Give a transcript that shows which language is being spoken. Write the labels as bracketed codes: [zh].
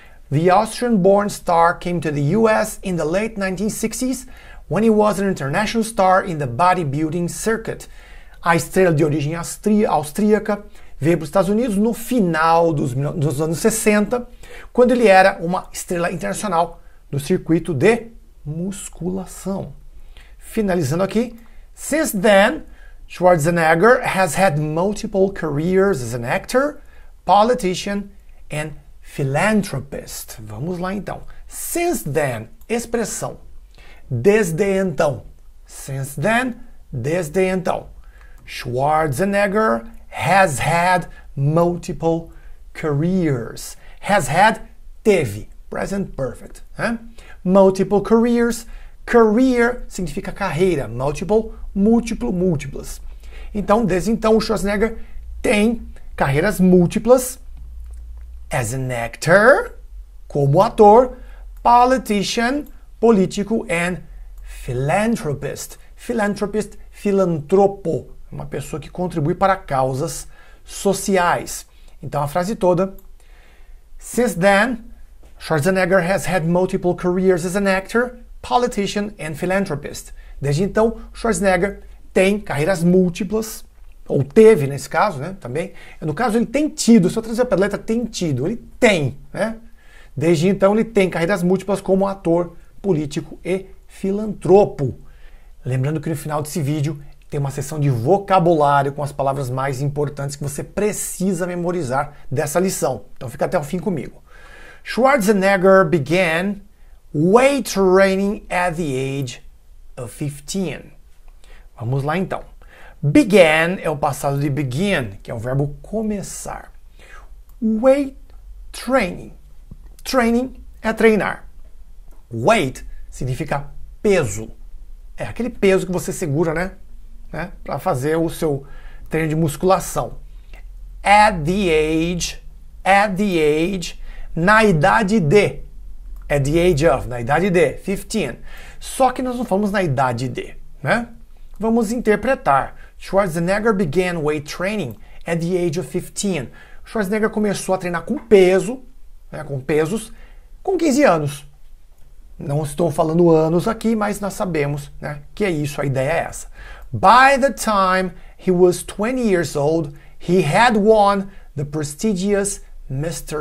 [en] The Austrian-born star came to the US in the late 1960s. When he was an international star in the bodybuilding circuit. [pt] A estrela de origem austríaca veio para os Estados Unidos no final dos anos 60, quando ele era uma estrela internacional do circuito de musculação. Finalizando aqui. [en] Since then, Schwarzenegger has had multiple careers as an actor, politician and philanthropist. [pt] Vamos lá então. [en] Since then, [pt] expressão. Desde então. [en] Since then, [pt] desde então. [en] Schwarzenegger has had multiple careers. Has had, teve. Present perfect. Né? Multiple careers. [pt] Career significa carreira. Multiple, múltiplo, múltiplas. Então, desde então, o Schwarzenegger tem carreiras múltiplas. [en] As an actor, [pt] como ator. [en] Politician, político and philanthropist. [pt] Philanthropist, filantropo, uma pessoa que contribui para causas sociais. Então a frase toda. Since then, Schwarzenegger has had multiple careers as an actor, politician and philanthropist. Desde então, Schwarzenegger tem carreiras múltiplas, ou teve nesse caso, né? Também. No caso, ele tem tido, se eu trazer para a letra, tem tido, ele tem, né? Desde então, ele tem carreiras múltiplas como ator, político e filantropo. Lembrando que no final desse vídeo Tem uma seção de vocabulário com as palavras mais importantes que você precisa memorizar dessa lição. Então fica até o fim comigo. [en] Schwarzenegger began weight training at the age of 15. [pt] Vamos lá então. Began é o passado de begin, que é o verbo começar. [en] Weight training. [pt] Training é treinar. Weight significa peso. É aquele peso que você segura, né? Para fazer o seu treino de musculação. [en] At the age, [pt] na idade de. [en] At the age of, [pt] na idade de, [en] 15. [pt] Só que nós não falamos na idade de, né? Vamos interpretar. [en] Schwarzenegger began weight training at the age of 15. [pt] Schwarzenegger começou a treinar com peso, né, com pesos, com 15 anos. Não estou falando anos aqui, mas nós sabemos, né, que é isso, a ideia é essa. [en] By the time he was 20 years old, he had won the prestigious Mr.